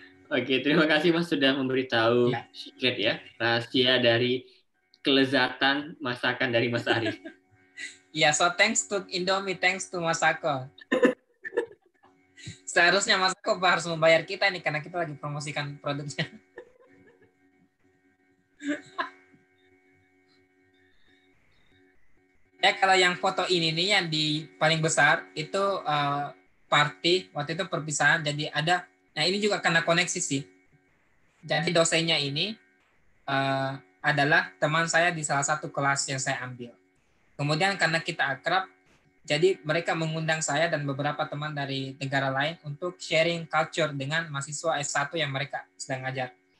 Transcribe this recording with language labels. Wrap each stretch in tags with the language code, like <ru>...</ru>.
<id>Oke, terima kasih Mas sudah memberitahu secret ya, rahasia dari kelezatan masakan dari Mas Arif.</id> <en>So thanks to Indomie, thanks to Mas Ako.</en> <id>Seharusnya Mas Ako harus membayar kita nih karena kita lagi promosikan produknya. Ya, kalau yang foto ini nih yang di paling besar itu party waktu itu perpisahan, jadi ada, nah ini juga kena koneksi sih, jadi dosennya ini adalah teman saya di salah satu kelas yang saya ambil, kemudian karena kita akrab jadi mereka mengundang saya dan beberapa teman dari negara lain untuk sharing culture dengan mahasiswa S1 yang mereka sedang ajar.</id>